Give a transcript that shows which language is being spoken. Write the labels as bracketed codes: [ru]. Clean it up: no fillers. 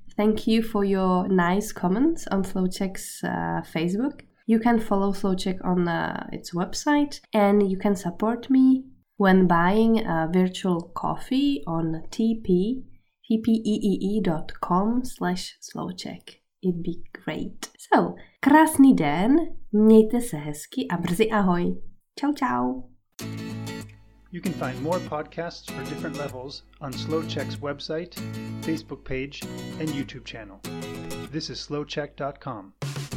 [en] Thank you for your nice comments on Slow Czech's Facebook. You can follow Slow Czech on its website, and you can support me when buying a virtual coffee on tpeee.com/slowcheck. It'd be great. [cs] So, krásný den, mějte se hezky a brzy ahoj. Čau, čau. [en] You can find more podcasts for different levels on Slow Czech's website, Facebook page, and YouTube channel. This is slowcheck.com.